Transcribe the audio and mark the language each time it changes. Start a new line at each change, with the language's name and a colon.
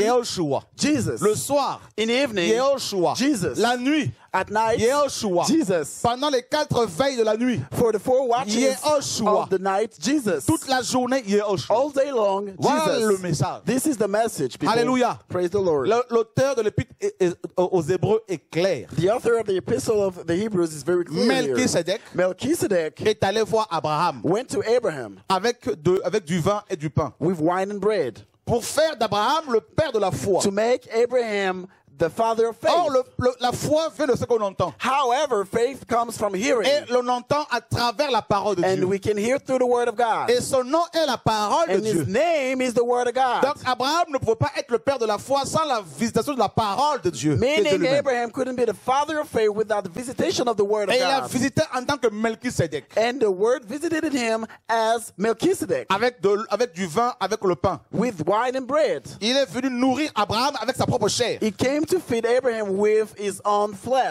French: Yeshua.
English: Jesus.
French: Le soir,
English: in the evening,
French: Yeshua.
English: Jesus.
French: La nuit,
English: at night,
French: Yeshua.
English: Jesus.
French: Pendant les quatre veilles de la nuit,
English: for the four watches
French: Yeshua.
English: Of the night, Jesus.
French: Toute la journée, Yeshua.
English: All day long, Jesus.
French: Voilà le message.
English: This is the message, people.
French: Alléluia.
English: Praise the Lord.
French: L'auteur de l'épître aux Hébreux est clair.
English: The author of the epistle of the Hebrews is very clear.
French: Melchizedek est allé voir Abraham.
English: Went to Abraham.
French: Avec du vin et du pain.
English: With wine and bread.
French: Pour faire d'Abraham le père de la foi.
English: To make Abraham the father of faith.
French: Or, la foi vient de ce qu'on entend.
English: However, faith comes from hearing.
French: Et l'on entend à travers la parole de
English: and
French: Dieu.
English: And we can hear through the word of God.
French: Et son nom est la parole
English: and
French: de Dieu.
English: And his name is the word of God.
French: Donc Abraham ne pouvait pas être le père de la foi sans la visitation de la parole de Dieu.
English: Meaning Abraham couldn't be the father of faith without the visitation of the word of
French: Et
English: God.
French: Et il a visité en tant que Melchizedek.
English: And the word visited him as Melchizedek.
French: Avec du vin, avec le pain.
English: With wine and bread.
French: Il est venu nourrir Abraham avec sa propre chair.
English: He came to feed Abraham with his own flesh.